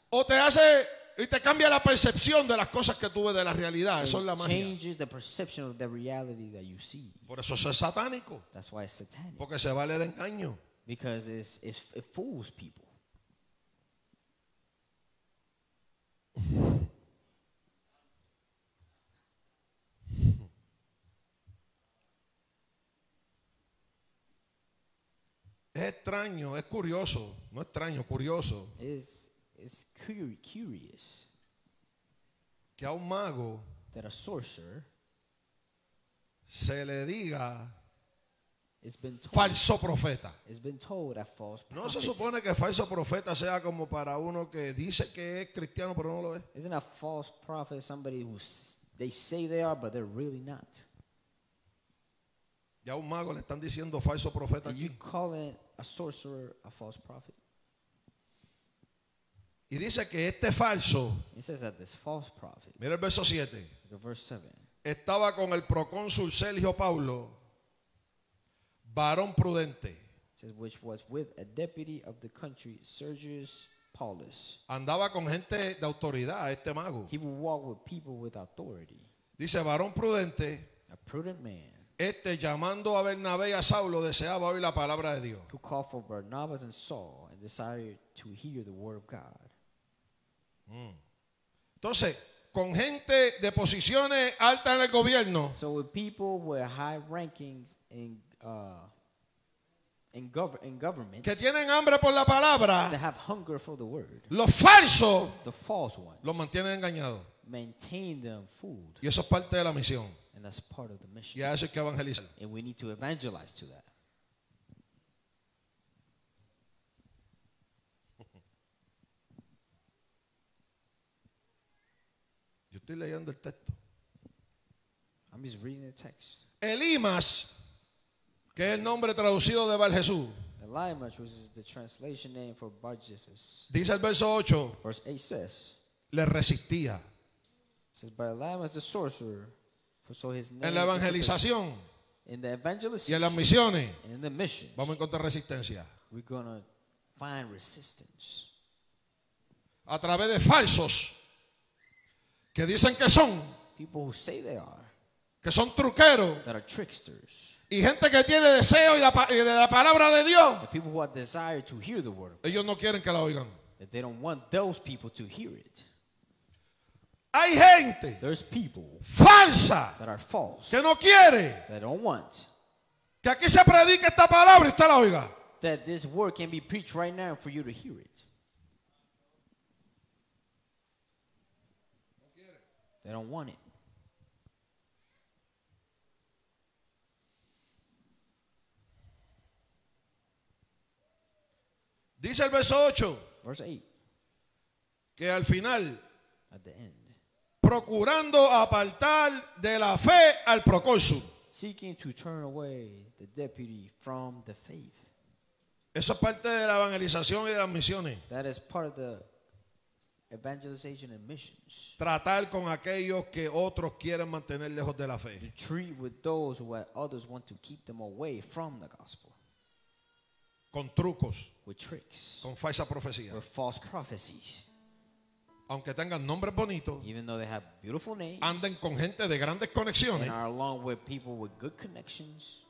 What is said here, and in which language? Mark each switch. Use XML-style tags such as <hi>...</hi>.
<es>O te hace y te cambia la percepción de las cosas que tú ves de la realidad. Eso es la magia.</es> <en>Changes the perception of the reality that you see.</en> <es>Por eso es satánico.</es> <en>That's why it's satanic.</en> <es>Porque se vale de engaño.</es> <en>Because it fools people.</en> <es>Es extraño, es curioso, no extraño, curioso.</es> <en>It's curious.</en> <es>Que a un mago,</es> <en>that a sorcerer,</en> <es>se le diga.</es> <en>It's been told,</en> <es>falso profeta.</es> <en>It's been told a false prophet.</en> <es>No se supone que falso profeta sea como para uno que dice que es cristiano pero no lo es.</es> <en>Isn't a false prophet somebody who they say they are but they're really not?</en> <es>Ya un mago le están diciendo falso profeta.</es> <en>You calling a sorcerer a false prophet?</en> <es>Y dice que este falso.</es> <en>It says that this false prophet.</en> <es>Mira el verso 7.</es> <en>Verse</en> <es>7. Estaba con el procónsul Sergio Paulo. Barón prudente.</es> <en>Says, which was with a deputy of the country, Sergius Paulus.</en> <es>Andaba con gente de autoridad, este mago.</es> <en>He would walk with people with authority.</en> <es>Dice, varón prudente.</es> <en>A prudent man.</en> <es>Este llamando a Bernabé y a Saulo deseaba oír la palabra de Dios.</es> <en>Who called for Barnabas and Saul and desired to hear the word of God.</en> <es>Entonces, con gente de posiciones altas en el gobierno.</es> <en>So with people with high rankings in in government,</en> <es>que tienen hambre por la palabra,</es> <en>they have hunger for the word.</en> <es>Los falsos,</es> <en>the false ones,</en> <es>los mantienen engañados.</es> <en>Maintain them fooled.</en> <es>Y eso es parte de la misión.</es> <en>And that's part of the mission.</en> <es>Y a eso hay que evangelizar.</es> <en>And we need to evangelize to that.</en> <es>Yo estoy leyendo el texto.</es> <en>I'm just reading the text.</en> <es>Elimas. Que es el nombre traducido de Bar Jesús.</es> <en>Elimas, which is the translation name for Bar Jesus.</en> <es>Dice el verso 8.</es> <en>Verse 8 says.</en> <es>Le resistía.</es> <en>Says, but Elimas the sorcerer. For so his name.</en> <es>En la evangelización.</es> <en>In the evangelism.</en> <es>Y en las misiones.</es> <en>And in the missions.</en> <es>Vamos a encontrar resistencia.</es> <en>We're going to find resistance.</en> <es>A través de falsos. Que dicen que son.</es> <en>People who say they are.</en> <es>que son truqueros,</es> <en>that are tricksters,</en> <es>y gente que tiene deseo de la palabra de Dios,</es> <en>the people who have desire to hear the word of God,</en> <es>ellos no quieren que la oigan.</es> <en>That they don't want those people to hear it.</en> <es>Hay gente,</es> <en>there's people,</en> <es>falsa,</es> <en>that are false,</en> <es>que no quiere,</es> <en>that don't want,</en> <es>que aquí se predique esta palabra y usted la oiga,</es> <en>that this word can be preached right now for you to hear it. They don't want it.</en> <es>Dice el verso 8.</es> <en>Verse 8.</en> <es>Que al final,</es> <en>at the end,</en> <es>procurando apartar de la fe al procónsul,</es> <en>seeking to turn away the deputy from the faith.</en> <es>Eso es parte de la evangelización y de las misiones.</es> <en>That is part of the evangelization and missions.</en> <es>Tratar con aquellos que otros quieren mantener lejos de la fe.</es> <en>To treat with those who others want to keep them away from the gospel.</en> <es>Con trucos.</es> <en>With tricks.</en> <es>Con falsa profecía.</es> <en>With false prophecies.</en> <es>Aunque tengan nombres bonitos.</es> <en>Even though they have beautiful names.</en> <es>Anden con gente de grandes conexiones.</es> <en>And are along with people with good connections.</en>